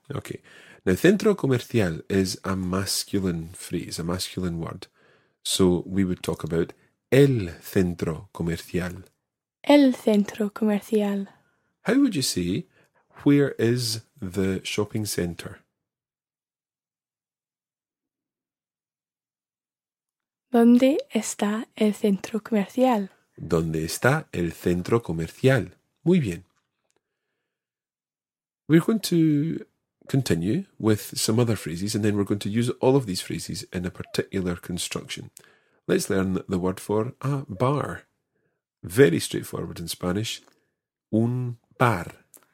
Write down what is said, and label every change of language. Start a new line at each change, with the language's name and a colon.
English: Okay. Now, centro comercial is a masculine phrase, a masculine word. So we would talk about
Spanish: el centro comercial. El centro comercial.
English: How would you say, where is the shopping centre?
Spanish: ¿Dónde está el centro comercial? ¿Dónde está el centro comercial? Muy bien.
English: We're going to continue with some other phrases and then we're going to use all of these phrases in a particular construction. Let's learn the word for a bar. Very straightforward in Spanish.
Spanish: Un bar.